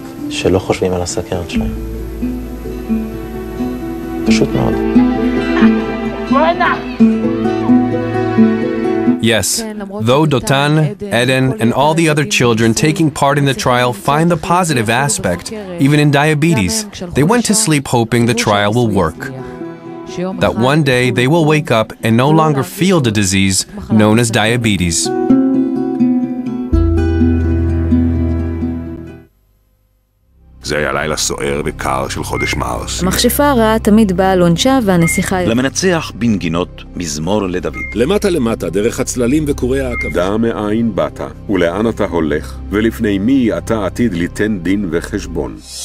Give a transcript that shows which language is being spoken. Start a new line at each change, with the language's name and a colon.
Hebrew: שלא חושבים על הסכרת שלהם. פשוט מאוד.
English: Yes, though Dotan, Eden, and all the other children taking part in the trial find the positive aspect, even in diabetes, they went to sleep hoping the trial will work. That one day they will wake up and no longer feel the disease known as diabetes.
Hebrew: זה היה לילה סוער וקר של חודש מרס. המכשפה הרעה תמיד באה לונשה והנסיכה... למנצח בנגינות מזמור לדוד. למטה למטה, דרך הצללים וקורי העכבים. דע מאין באת, ולאן אתה הולך, ולפני מי אתה עתיד ליתן דין וחשבון.